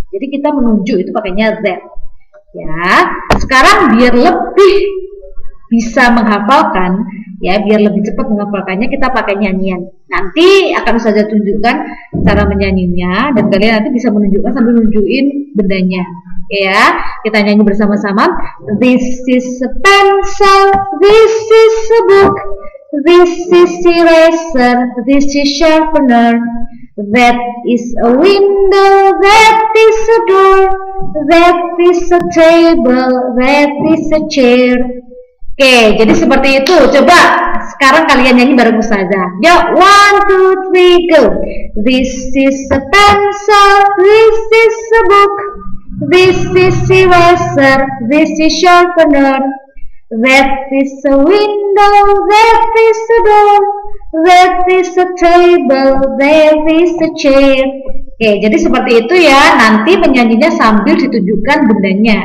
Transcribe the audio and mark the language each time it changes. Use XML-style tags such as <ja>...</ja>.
<id>Jadi kita menunjuk itu pakainya that. Ya. Sekarang biar lebih bisa menghafalkan, ya, biar lebih cepat menghafalkannya, kita pakai nyanyian. Nanti akan saya tunjukkan cara menyanyinya dan kalian nanti bisa menunjukkan sambil nunjukin bendanya. Ya, kita nyanyi bersama-sama.</id> <en>This is a pencil, this is a book, this is eraser, this is sharpener. That is a window, that is a door, that is a table, that is a chair.</en> <id>Oke, jadi seperti itu. Coba sekarang kalian nyanyi bareng Ustazah.</id> <en>Yuk, 1, 2, 3, go. This is a pencil, this is a book, this is eraser, this is sharpener. That is a window, that is a door, that is a table, that is a chair.</en> <id>Oke, jadi seperti itu ya. Nanti menyanyinya sambil ditunjukkan bendanya.</id>